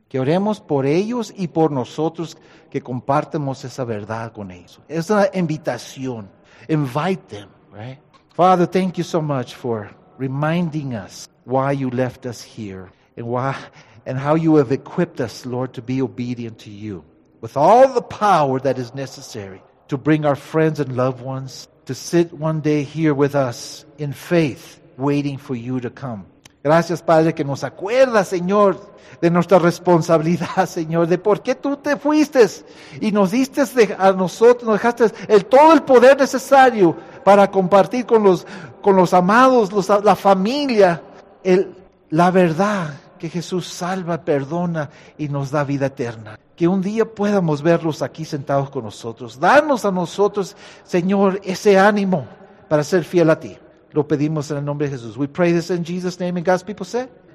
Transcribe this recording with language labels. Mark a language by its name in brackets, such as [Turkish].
[Spanish] Que oremos por ellos y por nosotros que compartamos esa verdad con ellos. Es una invitación. [English] Invite them, right? Father, thank you so much for reminding us why you left us here and how you have equipped us, Lord, to be obedient to you with all the power that is necessary to bring our friends and loved ones to sit one day here with us in faith, waiting for you to come. [Spanish] Gracias, Padre, que nos acuerdas, Señor, de nuestra responsabilidad, Señor, de por qué tú te fuiste y nos diste a nosotros, nos dejaste todo el poder necesario para compartir con los amados, la familia, la verdad que Jesús salva, perdona y nos da vida eterna. Que un día podamos verlos aquí sentados con nosotros. Danos a nosotros, Señor, ese ánimo para ser fiel a ti. Lo pedimos en el nombre de Jesús. [English] We pray this in Jesus' name, and God's people say.